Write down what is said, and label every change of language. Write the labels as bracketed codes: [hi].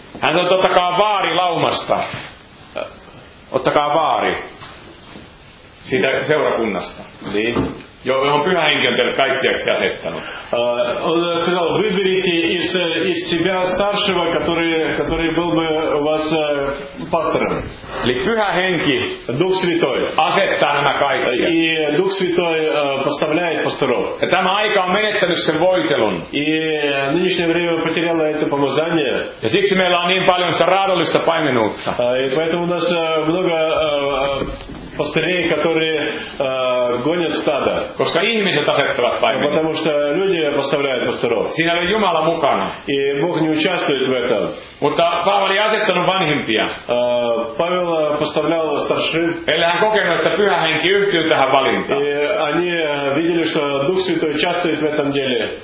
[fi] Hän sanoi, ottakaa vaari laumasta. Ottakaa vaari. Siitä seurakunnasta. Niin. Johon Pyhä Henki on teille kaitsijaksi asettanut. [ru] Он сказал, выберите из себя старшего, который был бы у вас пастором. [fi] Eli Pyhä Henki, [ru] Дух Святой, [fi] asettaa nämä kaitsijat. [ru] И Дух Святой поставляет пасторов. [fi] Ja tämä aika on menettänyt sen voitelun. [ru] И нынешнее время потеряло это помазание. [fi] Ja siksi meillä on niin paljon sitä raadollista paimenuutta. [ru] И поэтому у нас много пастырей, которые гонят стадо. [fi] Koska ihmiset asettavat paimenuutta. [ru] Потому что люди поставляют пасторов. [fi] Siinä oli Jumala mukana. [ru] И Бог не участвует в этом. [fi] Mutta Paavali asettanut vanhimpia. [ru] Павел поставлял старшин. [fi] Eli hän kokenut, että Pyhä Henki yhtyy tähän valintaan. [ru] И они видели, что Дух Святой участвует в этом деле.